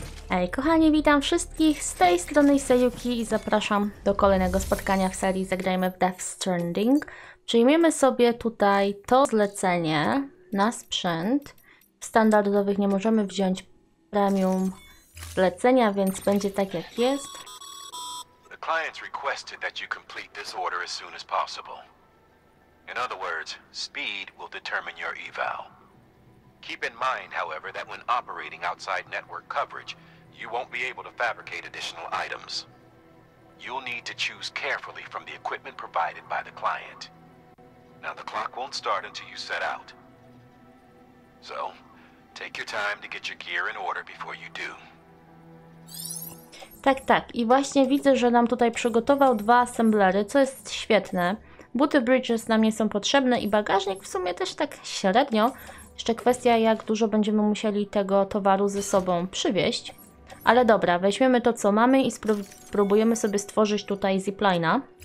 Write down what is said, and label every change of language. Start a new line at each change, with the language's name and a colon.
Polish: Hej kochani, witam wszystkich z tej strony Sayuki i zapraszam do kolejnego spotkania w serii Zagrajmy w Death Stranding. Przyjmiemy sobie tutaj to zlecenie na sprzęt. W standardowych nie możemy wziąć premium zlecenia, więc będzie tak jak jest.
English: The clients requested that you complete this order as soon as possible. In other words, speed will determine your eval. Keep in mind, however, that when operating outside network coverage, you won't be able to fabricate additional items. You'll need to choose carefully from the equipment provided by the client. Now, the clock won't start until you set out. So, take your time to get your gear in order before you do.
Polish: Tak, tak. I właśnie widzę, że nam tutaj przygotował dwa assemblery, co jest świetne. Buty Bridges nam nie są potrzebne i bagażnik w sumie też tak średnio. Jeszcze kwestia, jak dużo będziemy musieli tego towaru ze sobą przywieźć. Ale dobra, weźmiemy to, co mamy i spróbujemy sobie stworzyć tutaj ziplina.